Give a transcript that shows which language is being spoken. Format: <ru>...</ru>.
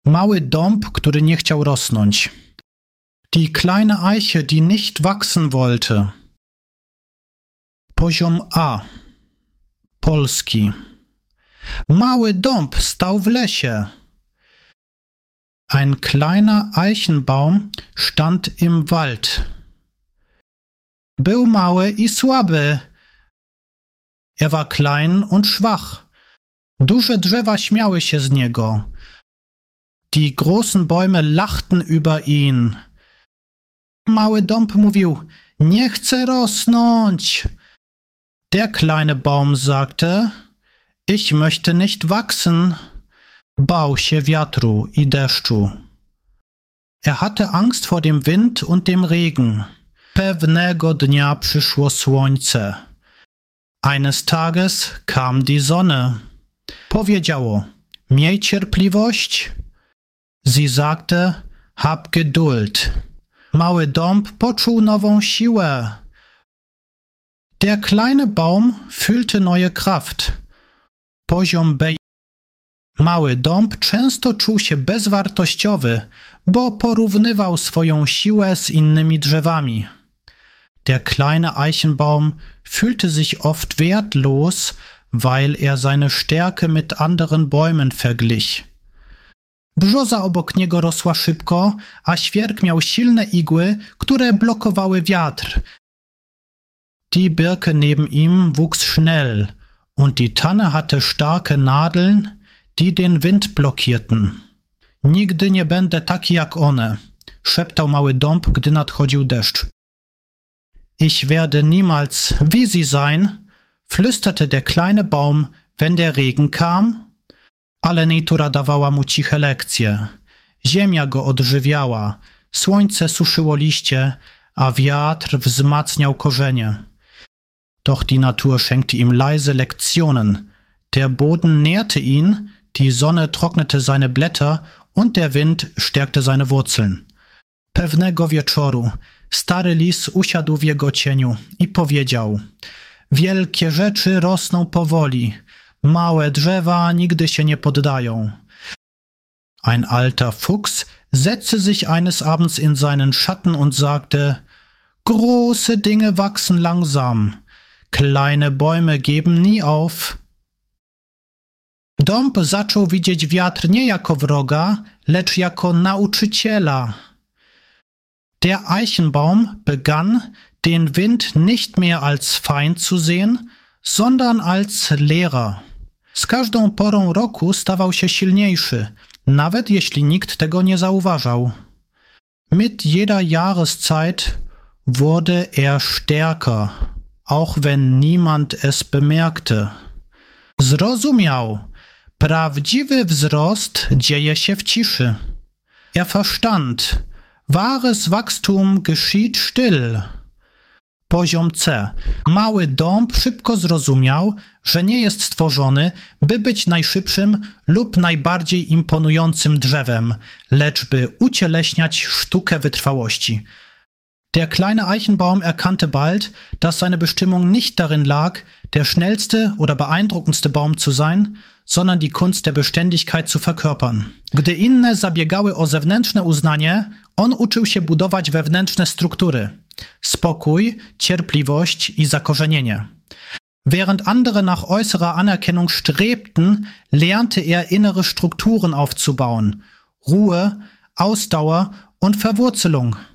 <pl>Mały Dąb, który nie chciał rosnąć.</pl> <de>Die kleine Eiche, die nicht wachsen wollte.</de> <pl>Poziom A. Polski. Mały Dąb stał w lesie.</pl> <de>Ein kleiner Eichenbaum stand im Wald.</de> <pl>Był mały i słaby.</pl> <de>Er war klein und schwach.</de> <pl>Duże drzewa śmiały się z niego.</pl> <de>Die großen Bäume lachten über ihn.</de> <pl>Mały Dąb mówił, nie chcę rosnąć.</pl> <de>Der kleine Baum sagte, ich möchte nicht wachsen.</de> <pl>Bał się wiatru i deszczu.</pl> <de>Er hatte Angst vor dem Wind und dem Regen.</de> <pl>Pewnego dnia przyszło słońce.</pl> <de>Eines Tages kam die Sonne.</de> <pl>Powiedziało, miej cierpliwość.</pl> <de>Sie sagte, hab Geduld.</de> <pl>Mały Dąb poczuł nową siłę.</pl> <de>Der kleine Baum fühlte neue Kraft.</de> <pl>Poziom B. Mały Dąb często czuł się bezwartościowy, bo porównywał swoją siłę z innymi drzewami.</pl> <de>Der kleine Eichenbaum fühlte sich oft wertlos, weil er seine Stärke mit anderen Bäumen verglich.</de> <pl>Brzoza obok niego rosła szybko, a świerk miał silne igły, które blokowały wiatr.</pl> <de>Die Birke neben ihm wuchs schnell und die Tanne hatte starke Nadeln, die den Wind blockierten.</de> <pl>Nigdy nie będę taki jak one, szeptał mały Dąb, gdy nadchodził deszcz.</pl> <de>Ich werde niemals wie sie sein, flüsterte der kleine Baum, wenn der Regen kam.</de> <pl>Ale natura dawała mu ciche lekcje. Ziemia go odżywiała, słońce suszyło liście, a wiatr wzmacniał korzenie.</pl> <de>Doch die Natur schenkte ihm leise Lektionen. Der Boden nährte ihn, die Sonne trocknete seine Blätter und der Wind stärkte seine Wurzeln.</de> <pl>Pewnego wieczoru stary lis usiadł w jego cieniu i powiedział: Wielkie rzeczy rosną powoli. Małe drzewa nigdy się nie poddają.</pl> <de>Ein alter Fuchs setzte sich eines Abends in seinen Schatten und sagte, große Dinge wachsen langsam. Kleine Bäume geben nie auf.</de> <pl>Dąb zaczął widzieć wiatr nie jako wroga, lecz jako Nauczyciela.</pl> <de>Der Eichenbaum begann, den Wind nicht mehr als Feind zu sehen, sondern als Lehrer.</de> <pl>Z każdą porą roku stawał się silniejszy, nawet jeśli nikt tego nie zauważał.</pl> <de>Mit jeder Jahreszeit wurde er stärker, auch wenn niemand es bemerkte.</de> <pl>Zrozumiał. Prawdziwy wzrost dzieje się w ciszy.</pl> <de>Er verstand. Wahres Wachstum geschieht still.</de> <pl>Poziom C. Mały Dąb szybko zrozumiał, że nie jest stworzony, by być najszybszym lub najbardziej imponującym drzewem, lecz by ucieleśniać sztukę wytrwałości.</pl> <de>Der kleine Eichenbaum erkannte bald, dass seine Bestimmung nicht darin lag, der schnellste oder beeindruckendste Baum zu sein, sondern die Kunst der Beständigkeit zu verkörpern.</de> <pl>Gdy inne zabiegały o zewnętrzne uznanie, on uczył się budować wewnętrzne struktury. Spokój, cierpliwość i zakorzenienie.</pl> <de>Während andere nach äußerer Anerkennung strebten, lernte er innere Strukturen aufzubauen. Ruhe, Ausdauer und Verwurzelung.</de>